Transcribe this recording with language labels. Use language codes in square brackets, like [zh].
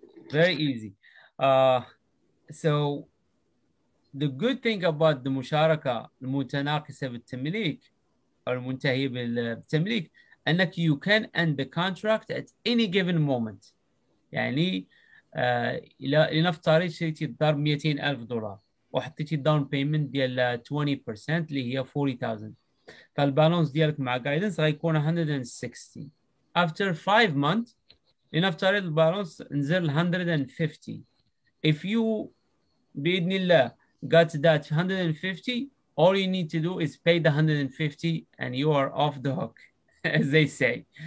[en] Very easy. So the good thing about the Musharaka, the Mutanakisa with Tamilik, or Muntahib Tamilik, and that you can end the contract at any given moment. Yani, [ar] لنفترض شريتي الدار $200,000 وحطيتي داون بيمنت ديال 20% اللي هي 40,000، فالبالونس ديالك مع جايدنس غيكون 160. [en] After 5 months [ar] لنفترض البالونس نزل 150. [en] If you بإذن الله got that 150, all you need to do is pay the 150 and you are off the hook, as they say.